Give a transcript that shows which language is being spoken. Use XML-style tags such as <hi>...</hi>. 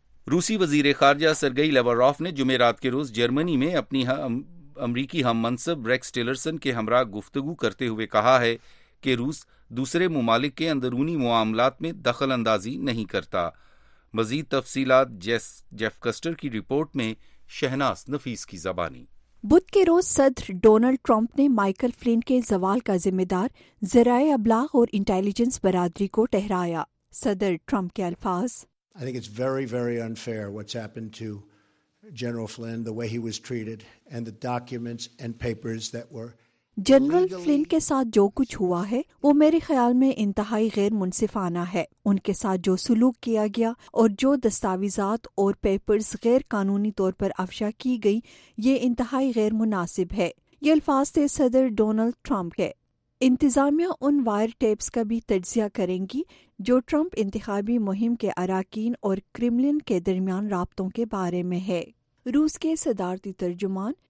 <ur>روسی وزیر خارجہ سرگئی لیوروف نے جمعرات کے روز جرمنی میں اپنی امریکی ہم منصب ریکس ٹیلرسن کے ہمراہ گفتگو کرتے ہوئے کہا ہے کہ روس دوسرے ممالک کے اندرونی معاملات میں دخل اندازی نہیں کرتا. مزید تفصیلات جیف کسٹر کی رپورٹ میں, شہناز نفیس کی زبانی. بدھ کے روز صدر ڈونلڈ ٹرمپ نے مائیکل فلین کے زوال کا ذمہ دار ذرائع ابلاغ اور انٹیلیجنس برادری کو ٹھہرایا. صدر ٹرمپ کے الفاظ,</ur> <en>I think it's very, very unfair what's happened to General Flynn, the way he was treated, and the documents and papers that were...</en> <ur>general فلن کے ساتھ جو کچھ ہوا ہے وہ میرے خیال میں انتہائی غیر منصفانہ ہے. ان کے ساتھ جو سلوک کیا گیا اور جو دستاویزات اور پیپرز غیر قانونی طور پر افشا کی گئی, یہ انتہائی غیر مناسب ہے. یہ الفاظ تھے صدر ڈونلڈ ٹرمپ کے. انتظامیہ ان وائر ٹیپس کا بھی تجزیہ کریں گی جو ٹرمپ انتخابی مہم کے اراکین اور کرملین کے درمیان رابطوں کے بارے میں ہے. روس کے صدارتی ترجمان</ur>